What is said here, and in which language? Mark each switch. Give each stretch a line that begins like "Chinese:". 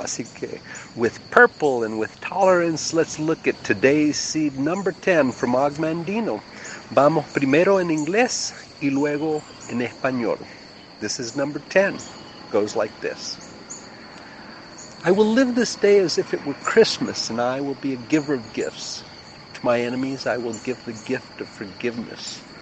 Spanish: Así que,
English: with purple and with tolerance, let's look at today's seed number 10 from Og Mandino.
Spanish: Vamos primero en inglés y luego en español.
English: This is number 10. Goes like this. I will live this day as if it were Christmas, and I will be a giver of gifts. To my enemies, I will give the gift of forgiveness.